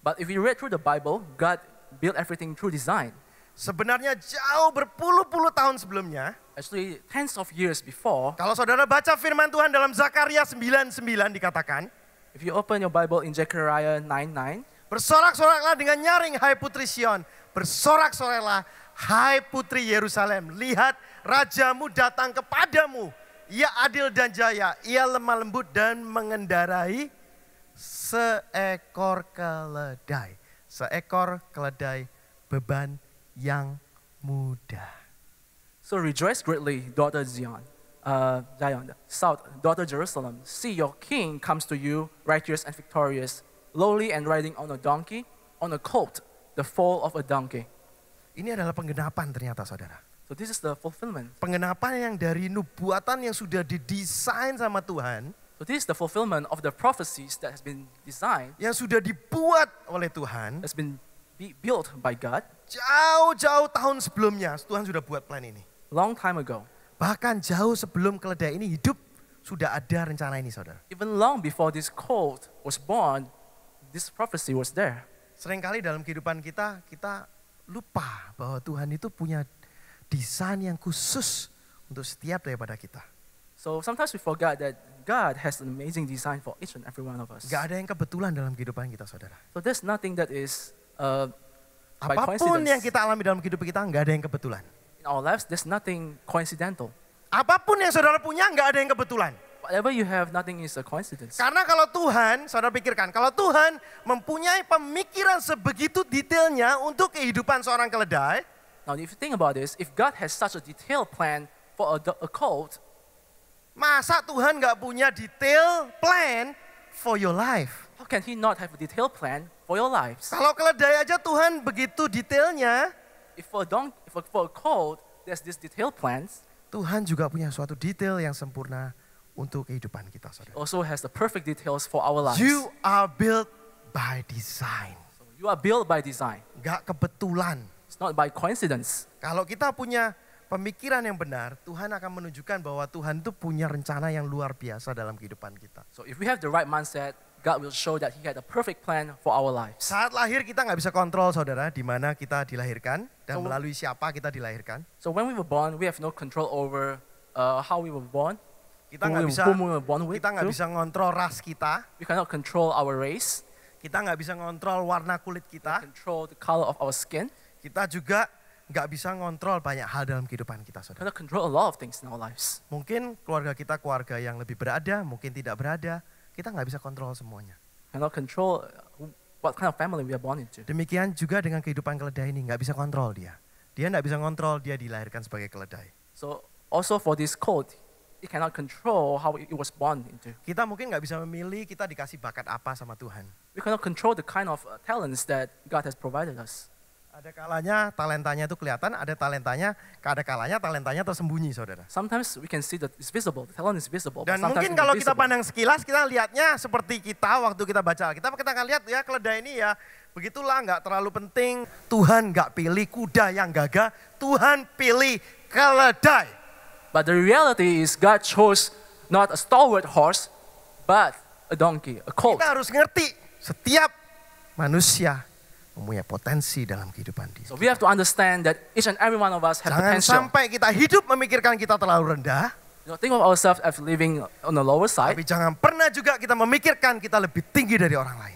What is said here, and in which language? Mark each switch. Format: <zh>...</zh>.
<en>But if we read through the Bible, God built everything through design.</en> <id>Sebenarnya jauh berpuluh-puluh tahun sebelumnya.</id> <en>Actually, tens of years before.</en> <id>Kalau saudara baca firman Tuhan dalam Zakaria 9:9 dikatakan.</id> <en>If you open your Bible in Zechariah 9:9.</en> <id>Bersorak-soraklah dengan nyaring, hai putri Sion. Bersorak-soraklah, hai putri Yerusalem. Lihat, rajamu datang kepadamu. Ia adil dan jaya. Ia lemah lembut dan mengendarai seekor keledai. Seekor keledai beban yang muda.</id> <en>So rejoice greatly, daughter Zion, Zion, south, daughter Jerusalem. See, your king comes to you, righteous and victorious, lowly and riding on a donkey, on a colt, the foal of a donkey.</en> <id>Ini adalah penggenapan ternyata, saudara.</id> <en>So this is the fulfillment.</en> <id>Penggenapan yang dari nubuatan yang sudah didesain sama Tuhan.</id> <en>So this is the fulfillment of the prophecies that has been designed.</en> <id>Yang sudah dibuat oleh Tuhan.</id> <en>Has been built by God.</en> <id>Jauh-jauh tahun sebelumnya Tuhan sudah buat plan ini.</id> <en>Long time ago.</en> <id>Bahkan jauh sebelum keledai ini hidup sudah ada rencana ini, saudara.</id> <en>Even long before this colt was born, this prophecy was there.</en> <id>Seringkali dalam kehidupan kita, kita lupa bahwa Tuhan itu punya desain yang khusus untuk setiap daripada kita.</id> <en>So sometimes we forget that God has an amazing design for each and every one of us.</en> <id>Gak ada yang kebetulan dalam kehidupan kita, saudara.</id> <en>So there's nothing that is</en> <id>apapun yang kita alami dalam hidup kita, enggak ada yang kebetulan.</id> <en>In our lives, there's nothing coincidental.</en> <id>Apapun yang saudara punya, enggak ada yang kebetulan.</id> <en>Whatever you have, nothing is a coincidence.</en> <id>Karena kalau Tuhan, saudara pikirkan, kalau Tuhan mempunyai pemikiran sebegitu detailnya untuk kehidupan seorang keledai.</id> <en>Now, if you think about this, if God has such a detailed plan for a colt,</en> <id>masa Tuhan enggak punya detail</id> <en>plan for your life? How can He not have a detailed plan for your lives?</en> <id>Kalau keledai aja Tuhan begitu detailnya.</id> <en>If for a colt, there's this detailed plans.</en> <id>Tuhan juga punya suatu detail yang sempurna untuk kehidupan kita, saudara.</id> <en>He also has the perfect details for our lives. You are built by design. So you are built by design.</en> <id>Gak kebetulan.</id> <en>It's not by coincidence.</en> <id>Kalau kita punya pemikiran yang benar, Tuhan akan menunjukkan bahwa Tuhan itu punya rencana yang luar biasa dalam kehidupan kita.</id> <en>So if we have the right mindset, God will show that He had a perfect plan for our lives.</en> <id>Saat lahir kita enggak bisa kontrol, saudara, di mana kita dilahirkan dan melalui siapa kita dilahirkan.</id> <en>So when we were born, we have no control over how we were born.</en> <id>Kita enggak bisa ngontrol ras kita.</id> <en>We cannot control our race.</en> <id>Kita enggak bisa ngontrol warna kulit kita.</id> <en>We control the color of our skin.</en> <id>Kita juga enggak bisa ngontrol banyak hal dalam kehidupan kita, saudara.</id> <en>We cannot control a lot of things in our lives.</en> <id>Mungkin keluarga kita keluarga yang lebih berada, mungkin tidak berada. Kita enggak bisa kontrol semuanya.</id> <en>Cannot control what kind of family we are born into.</en> <id>Demikian juga dengan kehidupan keledai ini, enggak bisa kontrol dia. Dia enggak bisa kontrol dia dilahirkan sebagai keledai.</id> <en>So also for this colt, it cannot control how it was born into.</en> <id>Kita mungkin enggak bisa memilih kita dikasih bakat apa sama Tuhan.</id> <en>We cannot control the kind of talents that God has provided us.</en> <id>Ada kalanya talentanya itu kelihatan, ada kalanya talentanya tersembunyi, saudara.</id> <en>Sometimes we can see that it's visible, the talent is visible.</en> <id>Dan mungkin kalau kita pandang sekilas, kita lihatnya seperti kita waktu kita baca Alkitab, kita akan lihat ya keledai ini ya begitulah, enggak terlalu penting. Tuhan enggak pilih kuda yang gagah, Tuhan pilih keledai.</id> <en>But the reality is God chose not a stalwart horse, but a donkey, a colt.</en> <id>Kita harus ngerti setiap manusia mempunyai potensi dalam kehidupan dia.</id> <en>So we have to understand that each and every one of us have potential.</en> <id>Jangan sampai kita hidup memikirkan kita terlalu rendah.</id> <en>You know, think of ourselves as living on the lower side.</en> <id>Tapi jangan pernah juga kita memikirkan kita lebih tinggi dari orang lain.</id>